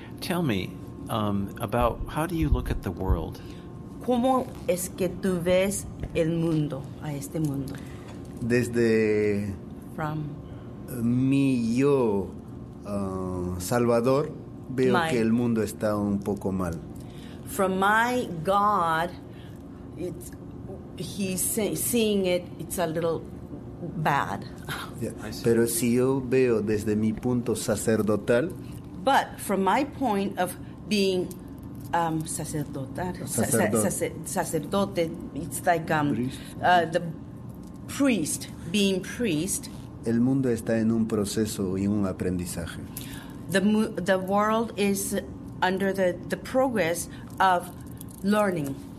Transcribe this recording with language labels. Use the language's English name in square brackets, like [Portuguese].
[English] Tell me about how do you look at the world? [Spanish] ¿Cómo es que tú ves el mundo, a este mundo? Desde [English] from [Spanish] mi yo, Salvador, veo que el mundo está un poco mal. [English] From my God, it's seeing it. It's a little bad. Yeah. [Spanish] Pero si yo veo desde mi punto sacerdotal. [English] But from my point of being sacerdotal, sacerdote, it's like the priest being priest. [Spanish] El mundo está en un proceso y un aprendizaje. [English] The world is under the progress of learning.